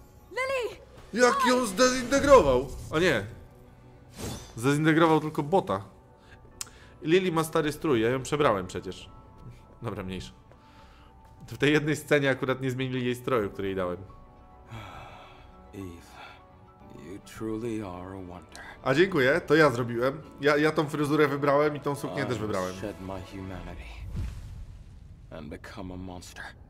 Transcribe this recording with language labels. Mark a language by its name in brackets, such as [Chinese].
[Polish] Lily! Jak ją zdezintegrował? O nie. Zdezintegrował tylko bota. Lily ma stary strój, ja ją przebrałem przecież. Dobra, mniejsza. W tej jednej scenie akurat nie zmienili jej stroju, który jej dałem. [English] Eve, you truly are a wonder. [Polish] A dziękuję, to ja zrobiłem. Ja tą fryzurę wybrałem i tą suknię też wybrałem. [English] Shed my humanity and become a monster.